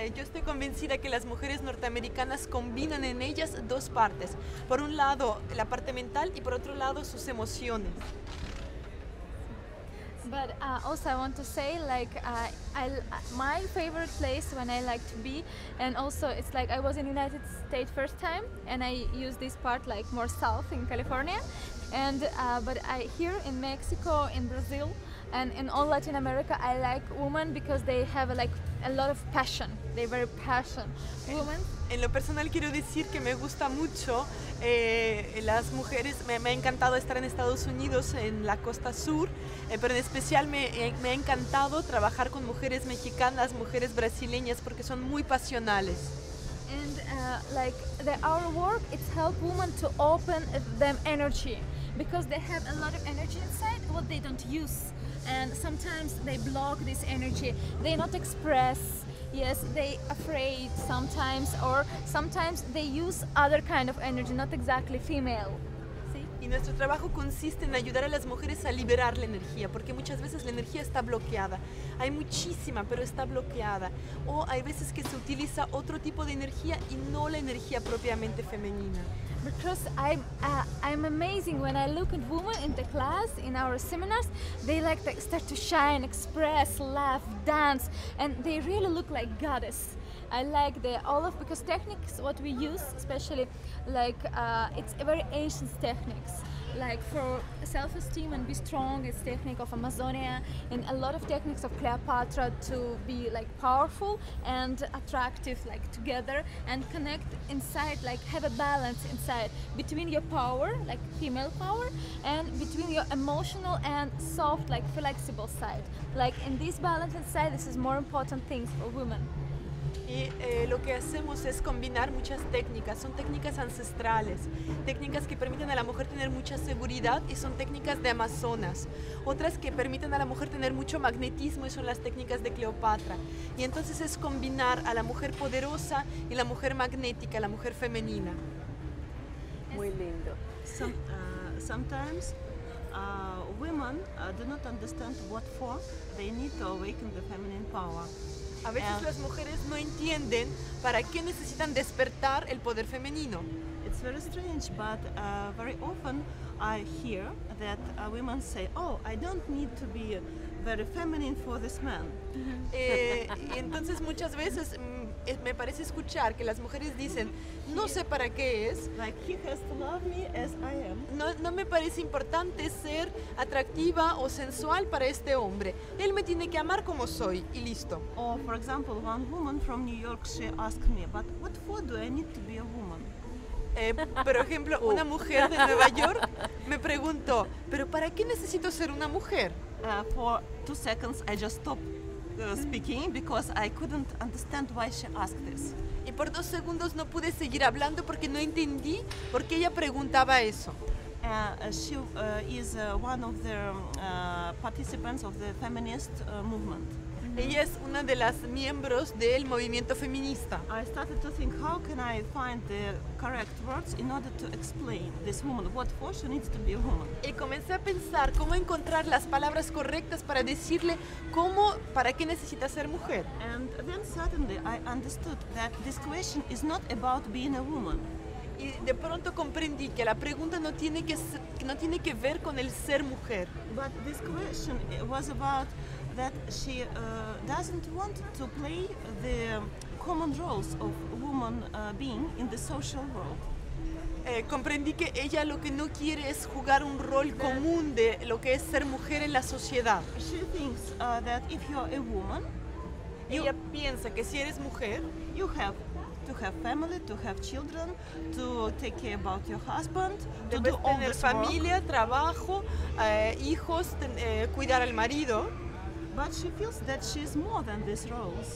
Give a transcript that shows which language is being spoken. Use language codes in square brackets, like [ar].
[es] Yo estoy convencida que las mujeres norteamericanas combinan en ellas dos partes. Por un lado, la parte mental y por otro lado, sus emociones. [en] But also I want to say, like, my favorite place when I like to be, and also it's like I was in United States first time, and I use this part like more south in California, and but I here in Mexico, in Brazil, and in all Latin America, I like women because they have like a lot of passion. They're very passionate women. [es] En lo personal quiero decir que me gusta mucho las mujeres. Me ha encantado estar en Estados Unidos, en la costa sur, pero en especial me ha encantado trabajar con mujeres mexicanas, mujeres brasileñas, porque son muy pasionales. [en] And like the, our work, it's help women to open them energy because they have a lot of energy inside what they don't use. And sometimes they block this energy. They not express. Yes, they afraid sometimes, or sometimes they use other kind of energy, not exactly female. See? [es] Y nuestro trabajo consiste en ayudar a las mujeres a liberar la energía, porque muchas veces la energía está bloqueada. Hay muchísima, pero está bloqueada. O hay veces que se utiliza otro tipo de energía y no la energía propiamente femenina. [en] Because I'm amazing when I look at women in the class, in our seminars, they like to start to shine, express, laugh, dance, and they really look like goddess. I like the all of, because techniques what we use, especially like it's very ancient techniques, like for self-esteem and be strong, it's technique of Amazonia, and a lot of techniques of Cleopatra to be like powerful and attractive, like together, and connect inside, like have a balance inside between your power, like female power, and between your emotional and soft, like flexible side. Like in this balance inside, this is more important things for women. [es] Y lo que hacemos es combinar muchas técnicas, son técnicas ancestrales, técnicas que permiten a la mujer tener mucha seguridad y son técnicas de Amazonas. Otras que permiten a la mujer tener mucho magnetismo y son las técnicas de Cleopatra. Y entonces es combinar a la mujer poderosa y la mujer magnética, la mujer femenina. Muy lindo. [en] Sometimes women do not understand what for they need to awaken the feminine power. [es] A veces [en] and [es] las mujeres no entienden para qué necesitan despertar el poder femenino. [en] It's very strange, but very often I hear that women say, oh, I don't need to be very feminine for this man. [es] Y entonces muchas veces me parece escuchar que las mujeres dicen, no sé para qué es. [en] Like, he has to love me as I am. [es] No me parece importante ser atractiva o sensual para este hombre. Él me tiene que amar como soy y listo. [en] Or, for example, one woman from New York, she asked me, but what for do I need to be a woman? [es] Por ejemplo, una mujer de Nueva York me preguntó, ¿pero para qué necesito ser una mujer? [en] For 2 seconds I just stopped speaking because I couldn't understand why she asked this. [es] Y por 2 segundos no pude seguir hablando porque no entendí por qué ella preguntaba eso. [en] She is one of the participants of the feminist movement. [es] Ella es una de las miembros del movimiento feminista. [en] I started to think, how can I find the correct words in order to explain this woman, what for she needs to be a woman. [es] Y comencé a pensar cómo encontrar las palabras correctas para decirle cómo, para qué necesita ser mujer. [en] And then suddenly I understood that this question is not about being a woman. [es] Y de pronto comprendí que la pregunta no tiene que ver con el ser mujer. [en] But this question was about that she doesn't want to play the common roles of woman being in the social world. [es] Comprendí que ella lo que no quiere es jugar un rol [en] that [es] común de lo que es ser mujer en la sociedad. [en] She thinks that if you are a woman, [es] ella piensa que si eres mujer, [en] you have to have family, to have children, to take care about your husband, to do all this work. [es] Debes tener familia, trabajo, hijos, cuidar al marido. [en] But she feels that she is more than these roles.